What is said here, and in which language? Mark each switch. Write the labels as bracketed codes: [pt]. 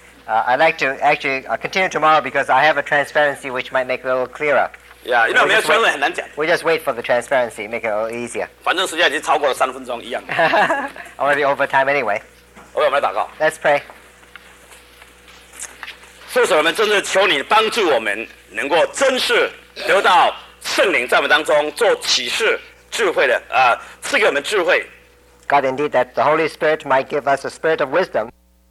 [en] I'd like to actually continue tomorrow because I have a transparency which might make it a little clearer. Yeah, you know, we just, we just wait for the transparency, make it a little easier. [zh] 反正时间已经超过了三分钟一样。 [en] Already over time anyway. [zh] Okay, 我们来祷告。 [en] Let's pray. [zh] 父神，我们真是求你帮助我们能够真是得到圣灵在我们当中做启示智慧的，赐给我们智慧。 [en] God, indeed, that the Holy Spirit might give us a spirit of wisdom.